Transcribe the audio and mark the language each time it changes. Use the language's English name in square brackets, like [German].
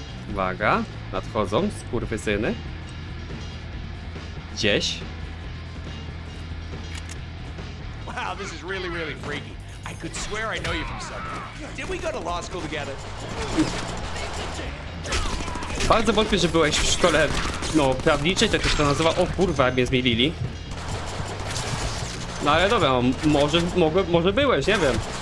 [Polish] Uwaga, nadchodzą skurwysyny. Gdzieś. [English] Wow, this is really, really freaky. I could swear I know you from somewhere. Did we go to law school together? [Polish] Bardzo wątpię, że byłeś w szkole, no, prawniczej, tak to się to nazywa. O kurwa, jak mnie zmielili. No ale dobra, może byłeś, nie wiem.